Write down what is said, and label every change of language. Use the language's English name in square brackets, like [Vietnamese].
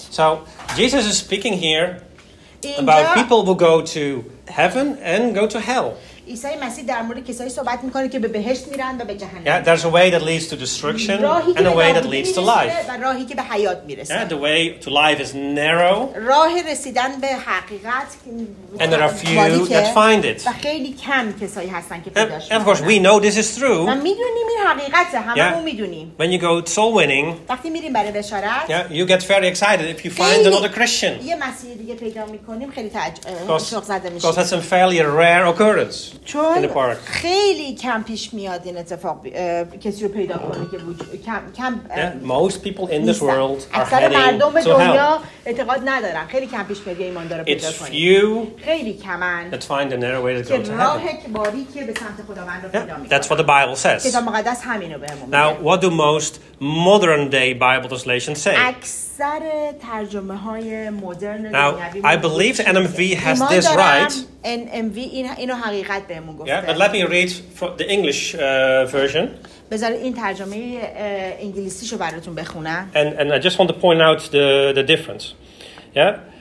[English] So Jesus is speaking here. About people who go to heaven and go to hell. [Persian] عیسی مسیح در مورد کسایی صحبت میکنه که به بهشت میرن و به جهنم. [English] Yeah, there's a way that leads to destruction and a way that leads to life. [Persian] راهی که به حیات میرسه. [English] Yeah, the way to life is narrow. [Persian] راه رسیدن به حقیقت. [English] And there are few that find it. [Persian] و خیلی کم کسایی هستن که پیداش میکنن. [English] Of course, we know this is true. [Persian] ما میدونیم این حقیقته. همه میدونیم. [English] When you go soul winning. [Persian] وقتی میریم برای بشارت. [English] Yeah, you get very excited if you find another Christian. [Persian] یه مسیحی دیگه پیدا میکنیم خیلی شوق زده میشیم. [English] Because that's a fairly rare occurrence. [Persian] چون [English] in the park. [Persian] خیلی کم پیش میاد این اتفاق کسی رو پیدا کنه که کم [English] most people in this world are heading to hell. [Persian] اعتقاد ندارن خیلی کم پیش میاد ایمان داره پیدا کنه خیلی کمن [English] that find a narrow way to go to heaven. [Persian] که راه باریکی به سمت خداوند رو پیدا میکنه. [English] That's what the Bible says. [Persian] کتاب مقدس همینو بهمون میگه. [English] Now what do most modern day Bible translations say? [Persian] اکثر ترجمه های مدرن دنیوی [English] Now I believe the NMV has this right. [Persian] NMV اینو حقیقت بهمون گفته. [English] Yeah, but let me read the English version. [Persian] بذار این ترجمه انگلیسیشو براتون بخونم. [English] And I just want to point out the difference. Yeah.